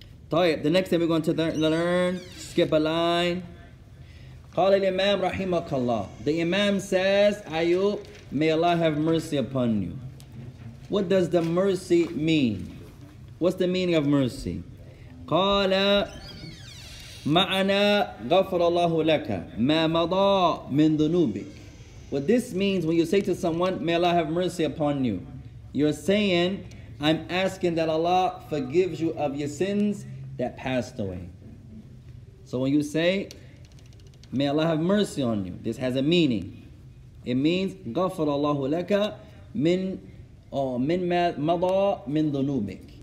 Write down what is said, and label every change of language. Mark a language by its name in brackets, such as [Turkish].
[English] طيب, the next thing we're going to learn, skip a line. [Arabic] قال الإمام رحمك الله. [English] The Imam says, Ayub, may Allah have mercy upon you. What does the mercy mean? What's the meaning of mercy? [Arabic] قال معنى غفر الله لك ما مضى من ذنوبك. [English] What this means when you say to someone, may Allah have mercy upon you, you're saying, I'm asking that Allah forgives you of your sins that passed away. So when you say, may Allah have mercy on you, this has a meaning. It means [Arabic] غفر الله لك من [English] or min mada min dhunubik.